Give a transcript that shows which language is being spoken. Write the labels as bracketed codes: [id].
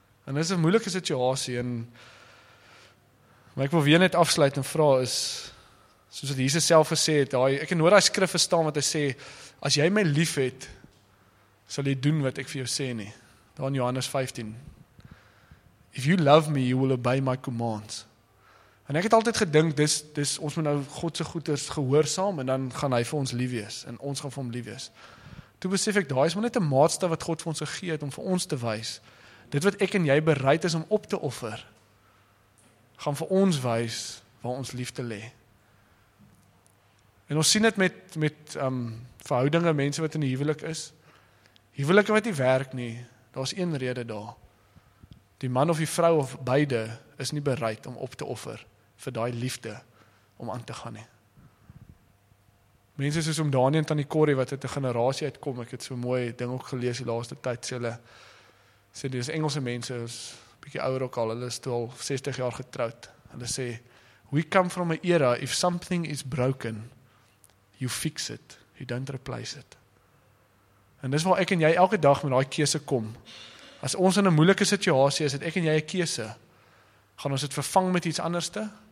[af] En dit is een moeilike situasie, en maar ek wil weer net afsluit en vraag is, soos wat Jesus self gesê het, ek kan hoor die skrif verstaan wat hy sê, as jy my lief het, sal jy doen wat ek vir jou sê nie. Daar in Johannes 15. [en] If you love me, you will obey my commands. [af] En ek het altyd gedink, dis ons moet nou God se goeders gehoorsaam, en dan gaan hy vir ons lief wees, en ons gaan vir hom lief wees. Toe besef ek, daar is maar net 'n maatstaf wat God vir ons gegee het, om vir ons te wys, dit wat ek en jy bereid is om op te offer, gaan vir ons wys, waar ons liefde lê. En ons sien dit met verhoudinge, mense wat in die huwelik is. Huwelike wat nie werk nie, daar is een rede daar. Die man of die vrou of beide is nie bereid om op te offer vir daai liefde om aan te gaan nie. Mense soos om Daniel en Tannie Corrie wat uit 'n generasie uitkom, ek het so mooi ding ook gelees die laaste tyd, sê die Engelse mense, is bietjie ouer ook al, hulle is toe al 60 jaar getroud. Hulle sê, [en] we come from an era, if something is broken, you fix it, you don't replace it. [af] En dis waar ek en jy elke dag met daai keuse kom. As ons in 'n moeilike situasie is, het ek en jy 'n keuse. Gaan ons dit vervang met iets anderste?